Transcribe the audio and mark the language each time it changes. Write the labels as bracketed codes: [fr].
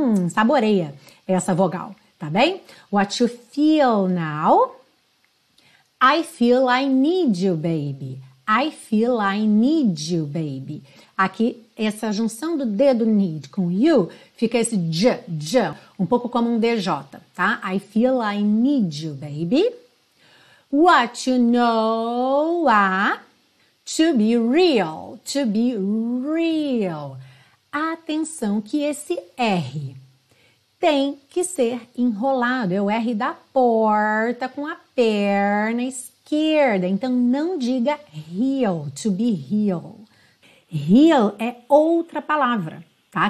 [pt] Saboreia essa vogal, tá bem? [en] What you feel now? I feel I need you, baby. I feel I need you, baby. [pt] Aqui, essa junção do dedo need com you, fica esse j, j, um pouco como um dj, tá? [en] I feel I need you, baby. What you know to be real, to be real. [pt] Atenção que esse R tem que ser enrolado, é o R da porta com a perna esquerda. Então, não diga real, [en] to be real. [pt] Real é outra palavra, tá?